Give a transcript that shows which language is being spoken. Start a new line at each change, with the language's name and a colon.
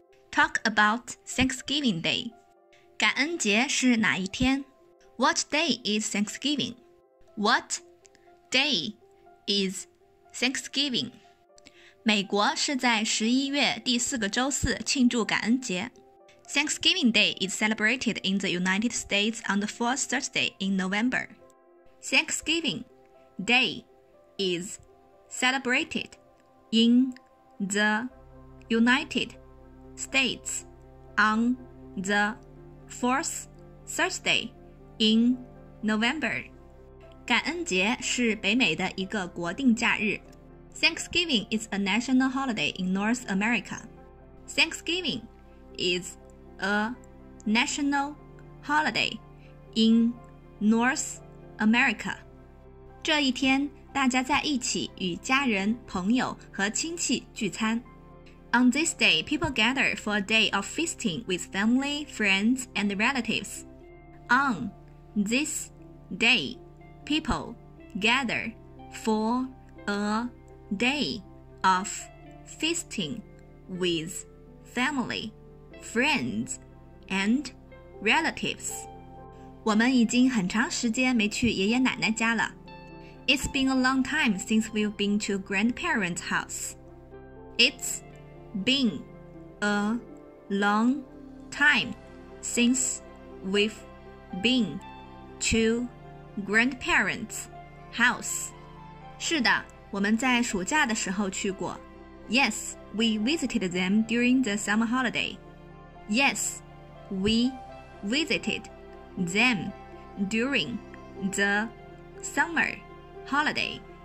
English: Talk about Thanksgiving Day.
Chinese: 感恩节是哪一天?
English: What day is Thanksgiving? What day is Thanksgiving?
Chinese: 美国是在11月第四个周四庆祝感恩节。
English: Thanksgiving Day is celebrated in the United States on the fourth Thursday in November. Thanksgiving Day is celebrated in the United States on the fourth Thursday in November.
Chinese: 感恩节是北美的一个国定假日。
English: Thanksgiving is a national holiday in North America. Thanksgiving is a national holiday in North America.
Chinese: 这一天大家在一起与家人、朋友和亲戚聚餐。
English: On this day, people gather for a day of feasting with family, friends, and relatives. On this day, people gather for a day of feasting with family, friends, and relatives.
Chinese: 我们已经很长时间没去爷爷奶奶家了。
English: It's been a long time since we've been to grandparents' house. It's been a long time since we've been to grandparents' house.
Chinese: 是的，我们在暑假的时候去过。
English: Yes, we visited them during the summer holiday. Yes, we visited them during the summer holiday.